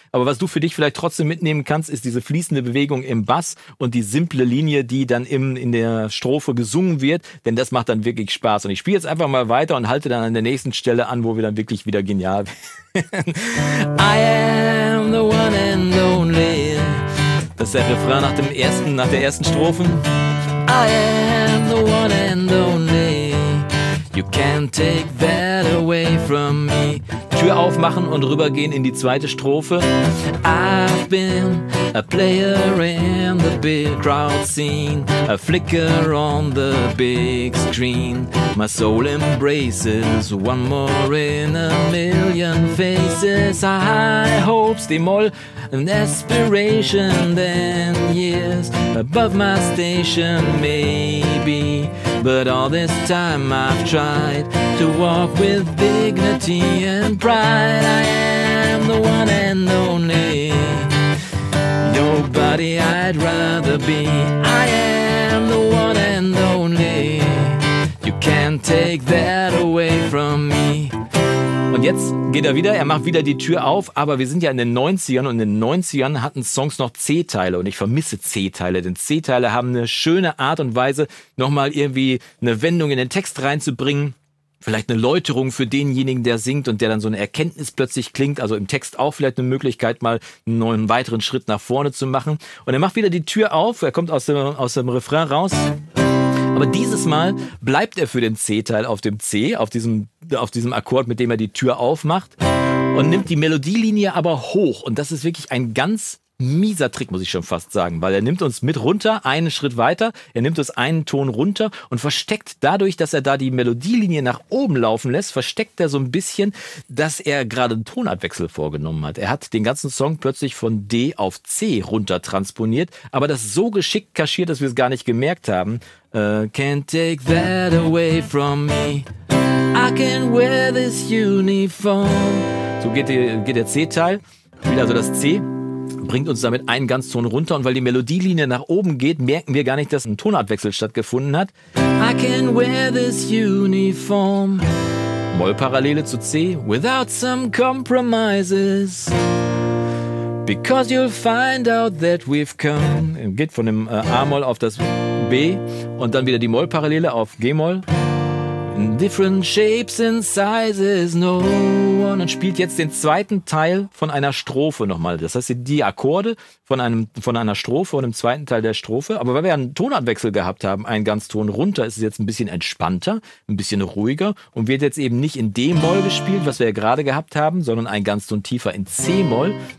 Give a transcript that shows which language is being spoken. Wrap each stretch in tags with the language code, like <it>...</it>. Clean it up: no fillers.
<de>Aber was du für dich vielleicht trotzdem mitnehmen kannst, ist diese fließende Bewegung im Bass und die simple Linie, die dann in der Strophe gesungen wird. Denn das macht dann wirklich Spaß. Und ich spiele jetzt einfach mal weiter und halte dann an der nächsten Stelle an, wo wir dann wirklich wieder genial werden.</de> <en>I am the one and only.</en> <de>Das ist der Refrain nach der ersten Strophe.</de> <en>I am the one and only. You can't take that away from me.</en> <de>Tür aufmachen und rübergehen in die zweite Strophe.</de> <en>I've been a player in the big crowd scene. A flicker on the big screen. My soul embraces one more in a million faces. High hopes,</en> <de>die Moll.</de> <en>An aspiration then years above my station maybe. But all this time I've tried to walk with dignity and pride. I am the one and only. Nobody I'd rather be. I am the one and only. You can't take that away from me.</en> <de>Und jetzt geht er wieder, er macht wieder die Tür auf, aber wir sind ja in den 90ern und in den 90ern hatten Songs noch C-Teile und ich vermisse C-Teile, denn C-Teile haben eine schöne Art und Weise, nochmal irgendwie eine Wendung in den Text reinzubringen. Vielleicht eine Läuterung für denjenigen, der singt und der dann so eine Erkenntnis plötzlich klingt. Also im Text auch vielleicht eine Möglichkeit, mal einen neuen weiteren Schritt nach vorne zu machen. Und er macht wieder die Tür auf. Er kommt aus dem Refrain raus. Aber dieses Mal bleibt er für den C-Teil auf dem C, auf diesem Akkord, mit dem er die Tür aufmacht. Und nimmt die Melodielinie aber hoch. Und das ist wirklich ein ganz mieser Trick, muss ich schon fast sagen, weil er nimmt uns mit runter, einen Schritt weiter, er nimmt uns einen Ton runter und versteckt dadurch, dass er da die Melodielinie nach oben laufen lässt, versteckt er so ein bisschen, dass er gerade einen Tonabwechsel vorgenommen hat. Er hat den ganzen Song plötzlich von D auf C runter transponiert, aber das so geschickt kaschiert, dass wir es gar nicht gemerkt haben.</de> <en>Can't take that away from me, I can wear this uniform.</en> <de>So geht der C-Teil, wieder so das C. Bringt uns damit einen ganzen Ton runter und weil die Melodielinie nach oben geht, merken wir gar nicht, dass ein Tonartwechsel stattgefunden hat.</de> <en>I can wear this uniform.</en> <de>Mollparallele zu C.</de> <en>Without some compromises. Because you'll find out that we've come.</en> <de>Geht von dem A-Moll auf das B und dann wieder die Mollparallele auf G-Moll.</de> <en>In different shapes and sizes, no.</en> <de>Und spielt jetzt den zweiten Teil von einer Strophe nochmal. Das heißt, die Akkorde von einer Strophe und im zweiten Teil der Strophe. Aber weil wir einen Tonartwechsel gehabt haben, einen ganz Ton runter, ist es jetzt ein bisschen entspannter, ein bisschen ruhiger und wird jetzt eben nicht in D-Moll gespielt, was wir ja gerade gehabt haben, sondern einen ganz Ton tiefer in C-Moll.</de>